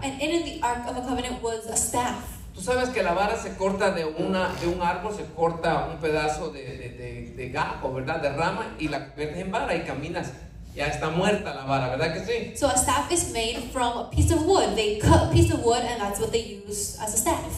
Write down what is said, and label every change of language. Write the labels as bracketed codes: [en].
[en] And in the ark of the covenant was a staff. [es] Tú sabes que la vara se corta de un árbol, se corta un pedazo de gajo, ¿verdad? De rama, y la conviertes en vara y caminas. Ya está muerta la vara, ¿verdad que sí? [en] So a staff is made from a piece of wood. They cut a piece of wood and that's what they use as a staff.